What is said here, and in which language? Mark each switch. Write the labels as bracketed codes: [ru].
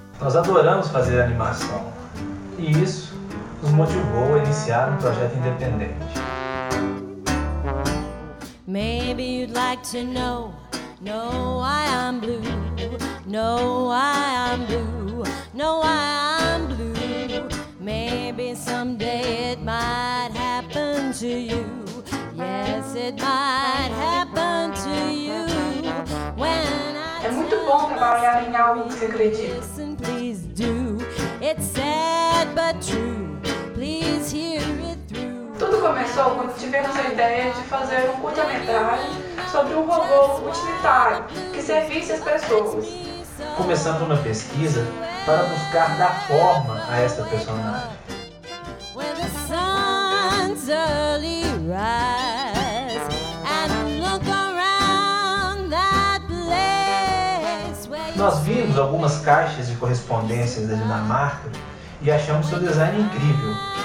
[pt] Nós adoramos fazer animação e isso nos motivou a iniciar um projeto independente. [en] Maybe you'd like to know, know why I'm blue, know why I'm blue, know why I'm blue. Maybe someday it might happen to you. Yes, it might happen to you. When I [pt] é muito bom trabalhar em algo que você acredita. [en] Listen, please do. It's sad but true. Please hear it through. [pt] Tudo começou quando tivemos a ideia de fazer um curta-metragem sobre um robô utilitário que servisse as pessoas. Começando uma pesquisa para buscar dar forma a esta personagem. [en] When the sun's early rise and look around that place where you... [pt] Nós vimos algumas caixas de correspondências da Dinamarca e achamos seu design incrível.